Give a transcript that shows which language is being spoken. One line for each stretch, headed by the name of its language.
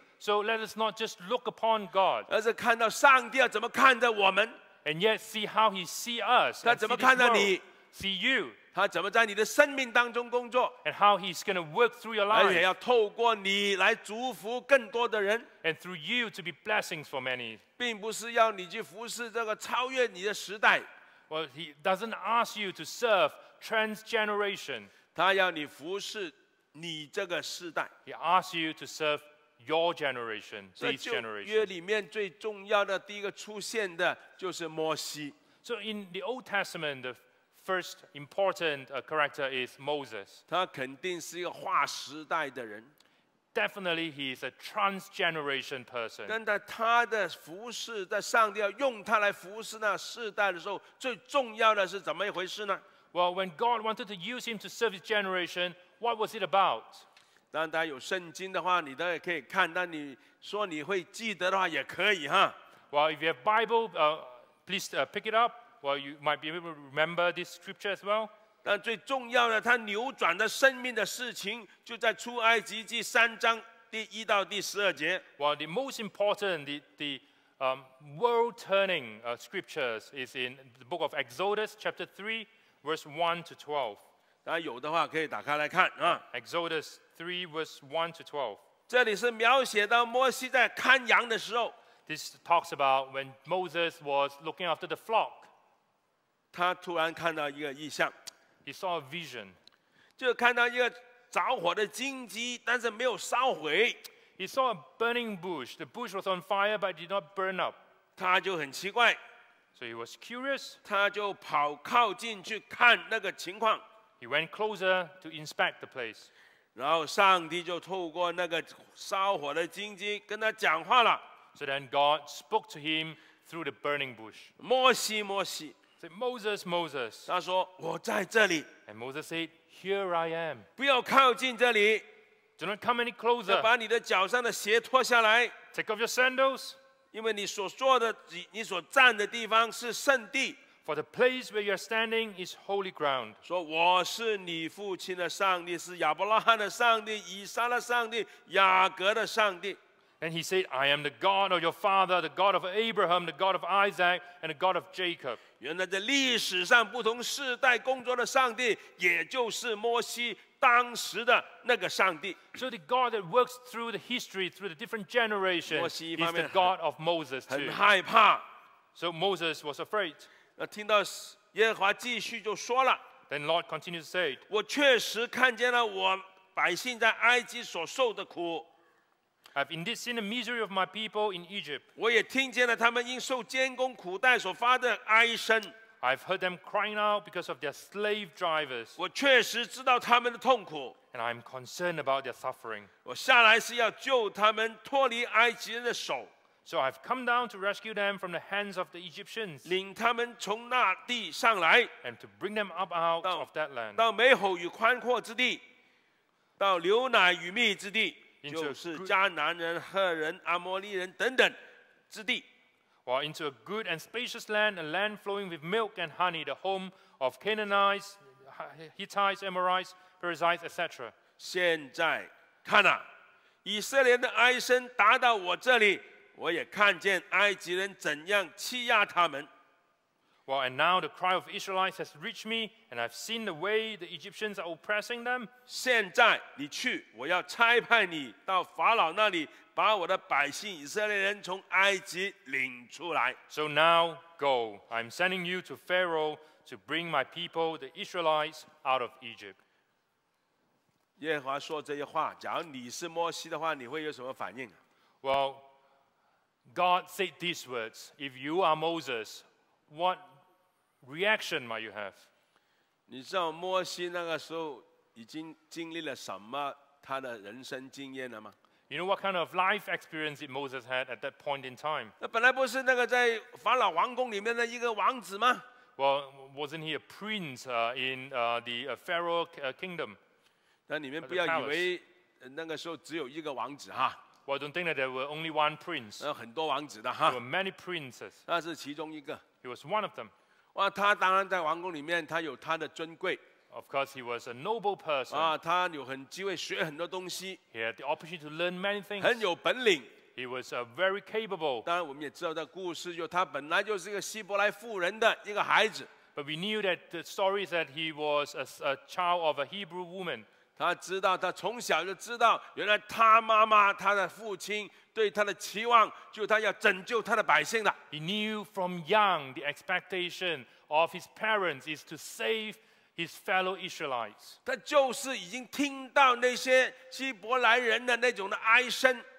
English: So let us not just look upon God.
Chinese: 而是看到上帝要怎么看着我们。
English: And yet see how he sees us.
Chinese: 他怎么看着你。
English: See you.
Chinese: 他怎么在你的生命当中工作？
English: And how he's going to work through your life.
Chinese: 而且要透过你来祝福更多的人。
English: And through you to be blessings for many.
Chinese: 并不是要你去服侍这个超越你的时代。
English: Well, he doesn't ask you to serve transgeneration.
Chinese: 他要你服侍你这个世代。
English: He asks you to serve your generation, this generation.
Chinese: 这旧约里面最重要的第一个出现的就是摩西。
English: So in the Old Testament, the first important character is Moses.
Chinese: 他肯定是一个划时代的人。
English: Definitely, he is a transgeneration person.
Chinese: 但他的服侍，在上帝要用他来服侍那世代的时候，最重要的是怎么一回事呢？
English: Well, when God wanted to use him to serve his generation, what was it about?
Chinese: 当他有圣经的话，你都可以看到你说你会记得的话也可以哈。
English: Well, if you have Bible, please pick it up. Well, you might be able to remember this scripture as well.
Chinese: 但最重要的，他扭转的生命的事情，就在出埃及记三章第一到第十二节。
English: Well, the most important, the world-turning scriptures is in the book of Exodus, chapter 3, verse 1 to 12.
Chinese: 大家有的话可以打开来看啊。
English: Exodus 3, verse 1 to 12.
Chinese: 这里是描写到摩西在看羊的时候。
English: This talks about when Moses was looking after the flock.
Chinese: 他突然看到一个异象。
English: He saw a vision.
Chinese: 就看到一个着火的荆棘，但是没有烧毁。
English: He saw a burning bush. The bush was on fire, but did not burn up.
Chinese: 他就很奇怪。
English: So he was curious.
Chinese: 他就跑靠近去看那个情况。
English: He went closer to inspect the place.
Chinese: 然后上帝就透过那个烧火的荆棘跟他讲话了。
English: So then God spoke to him through the burning bush.
Chinese: 摩西，摩西。
English: Said Moses, Moses.
Chinese: 他说，我在这里。
English: And Moses said, Here I am.
Chinese: 不要靠近这里。
English: Do not come any closer.
Chinese: 把你的脚上的鞋脱下来。
English: Take off your sandals.
Chinese: 因为你所坐的，你所站的地方是圣地。
English: For the place where you are standing is holy ground.
Chinese: 说我是你父亲的上帝，是亚伯拉罕的上帝，以撒的上帝，雅各的上帝。
English: And he said, I am the God of your father, the God of Abraham, the God of Isaac, and the God of Jacob.
Chinese: 原来在历史上不同世代工作的上帝，也就是摩西当时的那个上帝。
English: So the God that works through the history, through the different generations, is the God of Moses too.
Chinese: 很害怕。
English: So Moses was afraid.
Chinese: 听到耶和华继续就说了。
English: Then Lord continued to say,
Chinese: 我确实看见了我百姓在埃及所受的苦。
English: I've indeed seen the misery of my people in Egypt.
Chinese: 我也听见了他们因受监工苦待所发的哀声。
English: I've heard them crying out because of their slave drivers.
Chinese: 我确实知道他们的痛苦。
English: And I'm concerned about their suffering.
Chinese: 我下来是要救他们脱离埃及人的手。
English: So I've come down to rescue them from the hands of the Egyptians.
Chinese: 领他们从那地上来。
English: And to bring them up out of that land.
Chinese: 到美好与宽阔之地，到流奶与蜜之地。就是迦南人、赫人、阿摩利人等等之地。
English: Well, into a good and spacious land, a land flowing with milk and honey, the home of Canaanites, Hittites, Amorites, Perizzites, etc.
Chinese: 现在看啊，以色列的哀声达到我这里，我也看见埃及人怎样欺压他们。
English: Well, and now the cry of Israelites has reached me, and I've seen the way the Egyptians are oppressing them.
Chinese: 现在你去，我要差派你到法老那里，把我的百姓以色列人从埃及领出来。
English: So now go. I'm sending you to Pharaoh to bring my people, the Israelites, out of Egypt.
Chinese: 耶和华说这些话，假如你是摩西的话，你会有什么反应？
English: Well, God said these words. If you are Moses, what reaction might you have?
Chinese: 你知道摩西那个时候已经经历了什么他的人生经验了吗？
English: You know what kind of life experience Moses had at that point in time?
Chinese: 那本来不是那个在法老王宫里面的一个王子吗？
English: Well, wasn't he a prince in the Pharaoh kingdom?
Chinese: 那你们不要以为那个时候只有一个王子哈。
English: Well, I don't think that there were only one prince.
Chinese: 很多王子的哈。
English: There were many princes.
Chinese: 那是其中一个。
English: He was one of them.
Chinese: 哇，他当然在王宫里面，他有他的尊贵。
English: Of course, he was a noble person.
Chinese: 啊，他有很机会学很多东西。
English: He had the opportunity to learn many things.
Chinese: 很有本领。
English: He was a very capable.
Chinese: 当然，我们也知道的故事，就他本来就是一个希伯来妇人的一个孩子。
English: But we knew that the story is that he was a child of a Hebrew woman.
Chinese: 他知道，他从小就知道，原来他妈妈、他的父亲。对他的期望，就他要拯救他的百姓了。
English: He knew from young the expectation of his parents is to save his fellow Israelites.
Chinese: 他就是已经听到那些希伯来人的那种的哀声。